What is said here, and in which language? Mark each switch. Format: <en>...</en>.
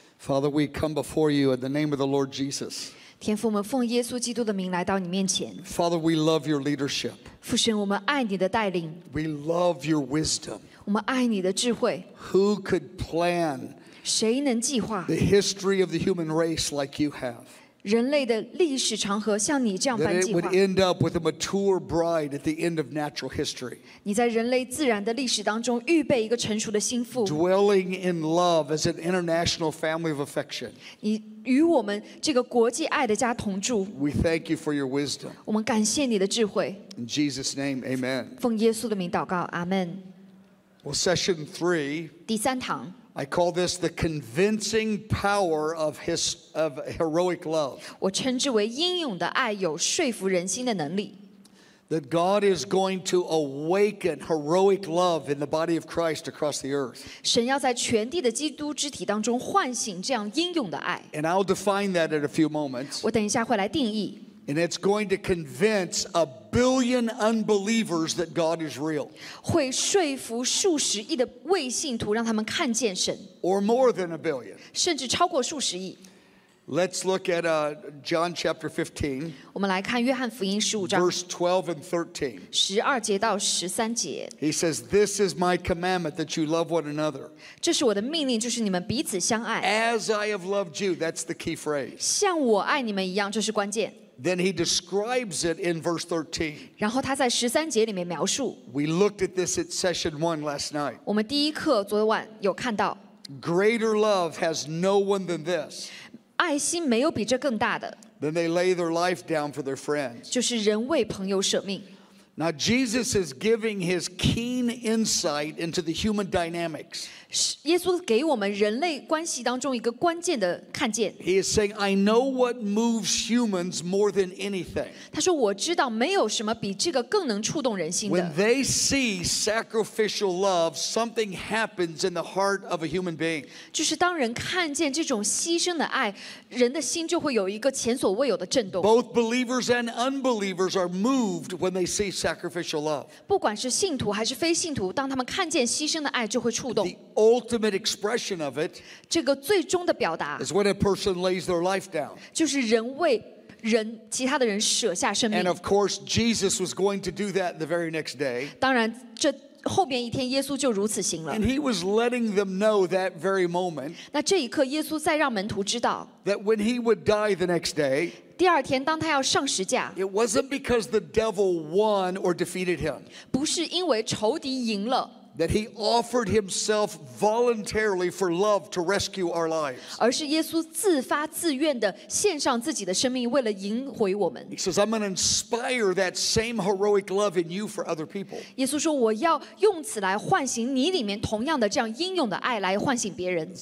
<en>Father, we come before you in the name of the Lord Jesus.</en> <zh>天父，我们奉耶稣基督的名来到你面前。</zh> <en>Father, we love your leadership.</en> <zh>父神，我们爱你的带领。</zh> <en>We love your wisdom.</en> <zh>我们爱你的智慧。</zh> <en>Who could plan?</en> <zh>谁能计划</zh> <en>the history of the human race like you have?</en> <zh>人类的历史长河像你这样般计划。</zh> <en>That it would end up with a mature bride at the end of natural history.</en> <zh>你在人类自然的历史当中预备一个成熟的心腹。</zh> <en>Dwelling in love as an international family of affection.</en> <zh>你与我们这个国际爱的家同住。</zh> <en>We thank you for your wisdom.</en> <zh>我们感谢你的智慧。</zh> <en>In Jesus' name, amen.</en> <zh>奉耶稣的名祷告，阿门。</zh> <en>Well, session three.</en> <zh>第三堂。</zh> <en>I call this the convincing power of heroic love.</en> <zh>我称之为英勇的爱有说服人心的能力。</zh> <en>That God is going to awaken heroic love in the body of Christ across the earth.</en> <zh>神要在全地的基督肢体当中唤醒这样英勇的爱。</zh> <en>And I'll define that in a few moments.</en> <zh>我等一下会来定义。</zh> <en>And it's going to convince a billion unbelievers that God is real.</en> <zh>会说服数十亿的未信徒让他们看见神。</zh> <en>Or more than a billion.</en> <zh>甚至超过数十亿。</zh> <en>Let's look at John chapter 15.</en> <zh>我们来看约翰福音十五章。</zh> <en>Verse 12 and 13.</en> <zh>十二节到十三节。</zh> <en>He says, "This is my commandment that you love one another."</en> <zh>这是我的命令，就是你们彼此相爱。</zh> <en>As I have loved you, that's the key phrase.</en> <zh>像我爱你们一样，这是关键。</zh> <en>Then he describes it in verse 13.</en> <zh>然后他在十三节里面描述。</zh> <en>We looked at this at session one last night.</en> <zh>我们第一课昨晚有看到。</zh> <en>Greater love has no one than this.</en> <zh>爱心没有比这更大的。</zh> <en>Then they lay their life down for their friends.</en> <zh>就是人为朋友舍命。</zh> <en>Now Jesus is giving his keen insight into the human dynamics.</en> <zh>耶稣给我们人类关系当中一个关键的看见。</zh> <en>He is saying, "I know what moves humans more than anything."</en> <zh>他说我知道没有什么比这个更能触动人心的。</zh> <en>When they see sacrificial love, something happens in the heart of a human being.</en> <zh>就是当人看见这种牺牲的爱，人的心就会有一个前所未有的震动。</zh> <en>Both believers and unbelievers are moved when they see sacrificial love.</en> <zh>不管是信徒还是非信徒，当他们看见牺牲的爱，就会触动。</zh> <en>Ultimate expression of it,</en> <zh>这个最终的表达</zh> <en>is when a person lays their life down.</en> <zh>就是人为人其他的人舍下生命。</zh> <en>And of course, Jesus was going to do that the very next day.</en> <zh>当然，这后面一天耶稣就如此行了。</zh> <en>And he was letting them know that very moment.</en> <zh>那这一刻，耶稣再让门徒知道</zh> <en>that when he would die the next day.</en> <zh>第二天，当他要上十架</zh> <en>it wasn't because the devil won or defeated him.</en> <zh>不是因为仇敌赢了。</zh> <en>That he offered himself voluntarily for love to rescue our lives.</en> <zh>而是耶稣自发自愿的献上自己的生命，为了赢回我们。</zh> <en>He says, "I'm going to inspire that same heroic love in you for other people."</en> <zh>耶稣说，我要用此来唤醒你里面同样的这样英勇的爱，来唤醒别人。</zh>